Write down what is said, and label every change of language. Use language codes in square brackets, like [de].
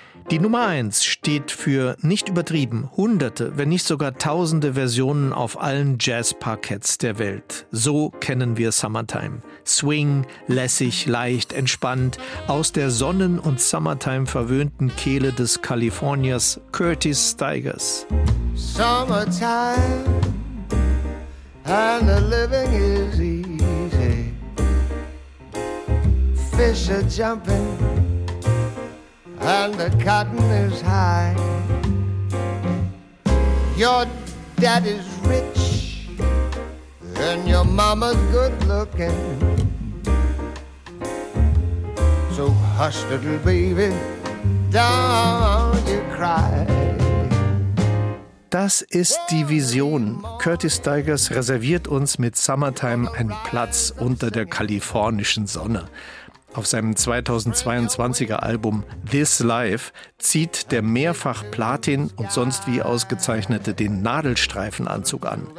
[de] Die Nummer 1 steht für, nicht übertrieben, hunderte, wenn nicht sogar tausende Versionen auf allen Jazzparketts der Welt. So kennen wir Summertime. Swing, lässig, leicht, entspannt, aus der Sonnen- und Summertime-verwöhnten Kehle des Kaliforniers Curtis Stigers. [en] Summertime and the living is easy. Fish are jumping and the cotton is high. Your daddy's rich and your mama's good looking. So hush, little baby, don't you cry. [de] Das ist die Vision. Curtis Stigers reserviert uns mit Summertime einen Platz unter der kalifornischen Sonne. Auf seinem 2022er Album This Life zieht der mehrfach Platin und sonst wie ausgezeichnete den Nadelstreifenanzug an.